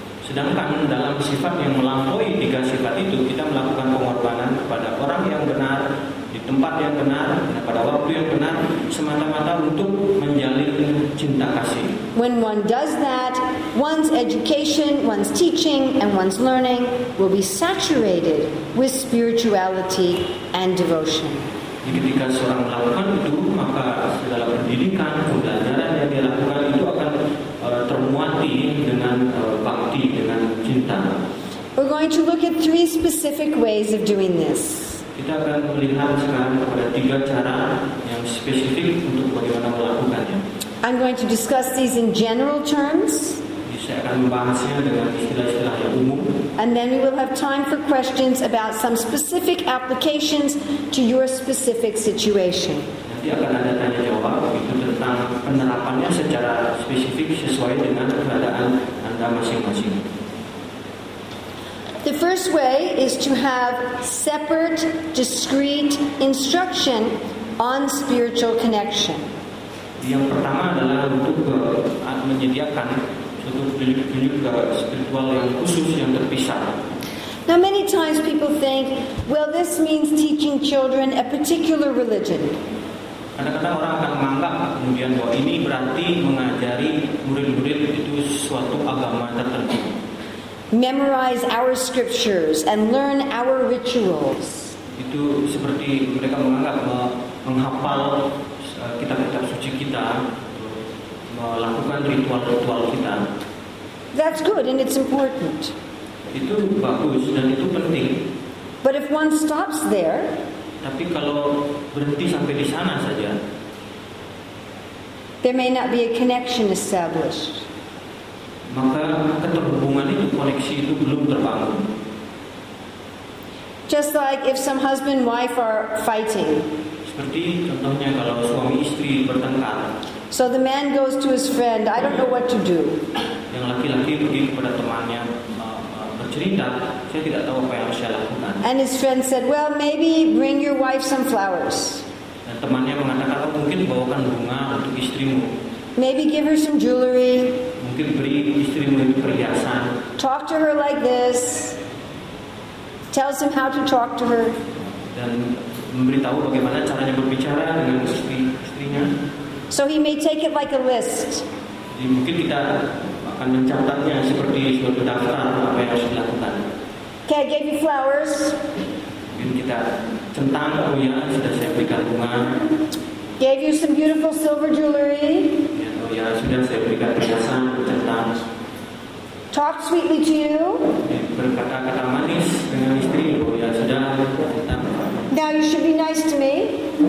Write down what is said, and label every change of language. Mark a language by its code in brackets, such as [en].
[id] Sedangkan dalam sifat yang melampaui tiga sifat itu, kita melakukan pengorbanan kepada orang yang benar di tempat yang benar pada waktu yang benar semata-mata untuk menjalin cinta kasih. [en] When one does that, one's education, one's teaching, and one's learning will be saturated with spirituality and devotion. [id] Ketika seorang melakukan itu, maka segala pendidikan, pelajaran yang dia lakukan itu akan termuati dengan bakti, dengan cinta. [en] We're going to look at three specific ways of doing this. [id] Kita akan melihat sekarang kepada tiga cara yang spesifik untuk bagaimana melakukannya. [en] I'm going to discuss these in general terms. [id] Saya akan membahasnya dengan istilah-istilah yang umum. [en] And then we will have time for questions about some specific applications to your specific situation. [id] Nanti akan ada tanya jawab itu tentang penerapannya secara spesifik sesuai dengan keadaan Anda masing-masing. [en] The first way is to have separate, discrete instruction on spiritual connection. [id] Yang pertama adalah untuk menyediakan suatu petunjuk-petunjuk spiritual yang khusus yang terpisah. [en] Now many times people think, well, this means teaching children a particular religion. [id] Kadang-kadang orang akan menganggap kemudian bahwa ini berarti mengajari murid-murid itu suatu agama tertentu. [en] Memorize our scriptures and learn our rituals. [id] Itu seperti mereka menganggap menghafal kitab-kitab suci kita, melakukan ritual-ritual kita. [en] That's good and it's important. [id] Itu bagus dan itu penting. [en] But if one stops there, [id] tapi kalau berhenti sampai di sana saja, [en] there may not be a connection established. [id] Maka keterhubungan itu, koneksi itu belum terbangun. [en] Just like if some husband and wife are fighting. [id] Seperti contohnya kalau suami istri bertengkar. [en] So the man goes to his friend, I don't know what to do. [id] Yang laki-laki pergi kepada temannya bercerita, saya tidak tahu apa yang harus saya lakukan. [en] And his friend said, well, maybe bring your wife some flowers. [id] Dan temannya mengatakan, oh, mungkin bawakan bunga untuk istrimu. [en] Maybe give her some jewelry. [id] Mungkin beri istrimu itu perhiasan. [en] Talk to her like this. Tells him how to talk to her. [id] Dan memberitahu bagaimana caranya berbicara dengan istrinya. [en] So he may take it like a list. [id] Jadi mungkin kita akan mencatatnya seperti suatu daftar apa yang harus dilakukan. [en] Okay, I gave you flowers. [id] Mungkin kita centang, oh ya, sudah saya berikan bunga. [en] Gave you some beautiful silver jewelry. [id] Oh ya, sudah saya berikan perhiasan, centang. [en] Talk sweetly to you. [id] Berkata-kata manis dengan istri, oh ya, sudah. [en] Now you should be nice to me.